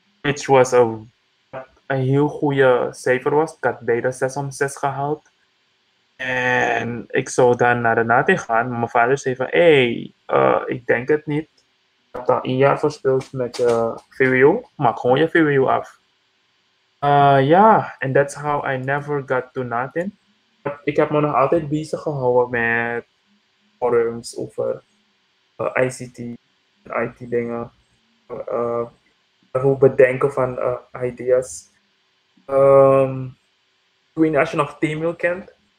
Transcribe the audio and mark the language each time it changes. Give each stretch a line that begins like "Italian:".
English: Which
Dutch: was een heel goede cijfer was. Ik had beide 6 om 6 gehaald. En ik zou dan naar de NATO gaan. Maar mijn vader zei van, hey, ik denk het niet. Ik heb dan 1 jaar verspild met je VWO. Maak gewoon je VWO af.
English: Ja, and that's how I never got to nothing.
Dutch: Ik heb me nog altijd bezig gehouden met forums over ICT en IT dingen. Hoe bedenken van ideas. Ik weet niet als je nog T-Mail kent.